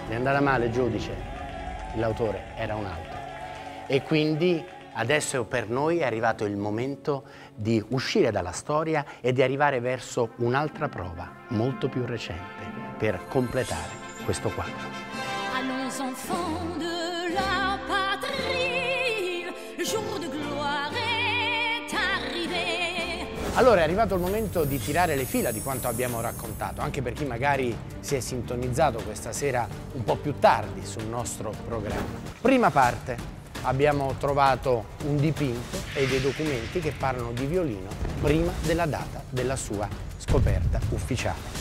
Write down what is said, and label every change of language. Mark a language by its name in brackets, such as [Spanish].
[Italian] È andata male, giudice, l'autore era un altro, e quindi adesso per noi è arrivato il momento di uscire dalla storia e di arrivare verso un'altra prova, molto più recente, per completare questo quadro. [French] Allons enfants de la patrie, jour de gloire est arrivé. [Italian] Allora è arrivato il momento di tirare le fila di quanto abbiamo raccontato, anche per chi magari si è sintonizzato questa sera un po' più tardi sul nostro programma. Prima parte. Abbiamo trovato un dipinto e dei documenti che parlano di violino prima della data della sua scoperta ufficiale.